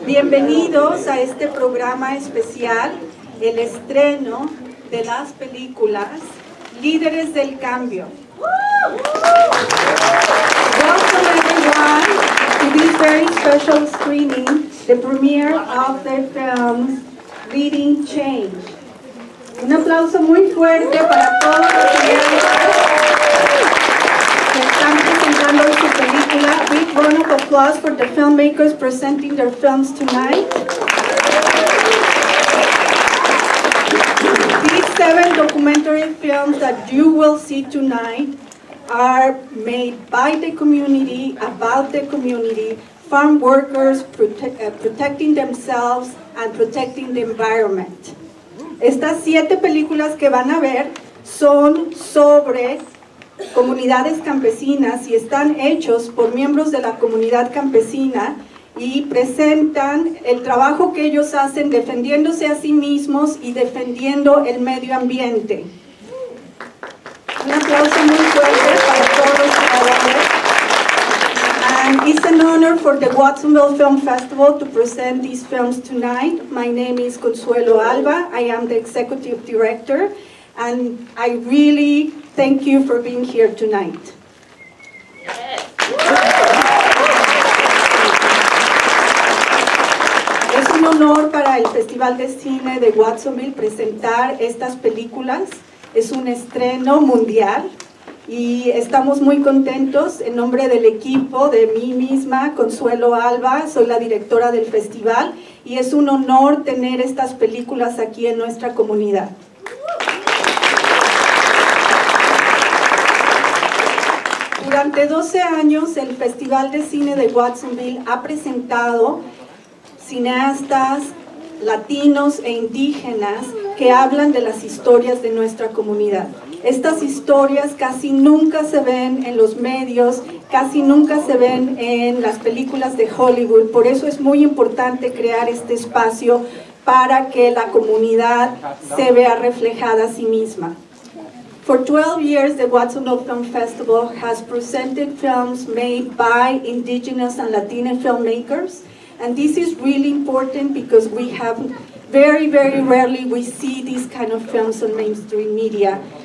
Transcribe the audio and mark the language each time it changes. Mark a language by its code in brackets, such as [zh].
[es] Bienvenidos a este programa especial, el estreno de las películas Líderes del Cambio. [en] Welcome everyone to this very special screening, the premiere of the film Leading Change. [es] Un aplauso muy fuerte para todos los filmmakers que están presentando su película. [en] Big round of applause for the filmmakers presenting their films tonight. These seven documentary films that you will see tonight are made by the community, about the community, farm workers protecting themselves and protecting the environment. [es] Estas siete películas que van a ver son sobre comunidades campesinas y están hechos por miembros de la comunidad campesina y presentan el trabajo que ellos hacen defendiéndose a sí mismos y defendiendo el medio ambiente. Un aplauso muy fuerte para todos ustedes. [en] It's an honor for the Watsonville Film Festival to present these films tonight. My name is Consuelo Alba. I am the executive director, and I really thank you for being here tonight. [es] Yes. Es un honor para el Festival de Cine de Watsonville presentar estas películas. Es un estreno mundial. Y estamos muy contentos en nombre del equipo, de mí misma, Consuelo Alba, soy la directora del festival, y es un honor tener estas películas aquí en nuestra comunidad. Durante 12 años, el Festival de Cine de Watsonville ha presentado cineastas latinos e indígenas que hablan de las historias de nuestra comunidad. Estas historias casi nunca se ven en los medios, casi nunca se ven en las películas de Hollywood. Por eso es muy importante crear este espacio para que la comunidad se vea reflejada a sí misma. [en] For 12 years, the Watsonville Film Festival has presented films made by indigenous and Latino filmmakers. And this is really important because we have very, very rarely we see these kind of films on mainstream media.